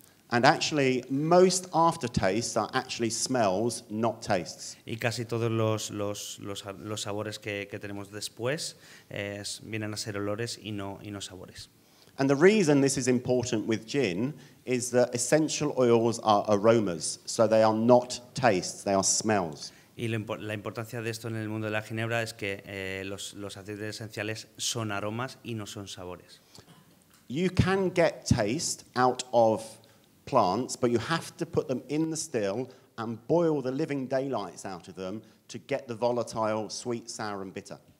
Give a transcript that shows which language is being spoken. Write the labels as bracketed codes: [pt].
[en] And actually, most aftertastes are actually smells, not tastes. [es] Y casi todos los sabores que tenemos después vienen a ser olores y no sabores. [en] And the reason this is important with gin is that essential oils are aromas, so they are not tastes, they are smells. [es] Y la importancia de esto en el mundo de la ginebra es que los aceites esenciales son aromas y no son sabores. [en] You can get taste out of plants, but you have to put them in the still and boil the living daylights out of them to get the volatile, sweet, sour and bitter.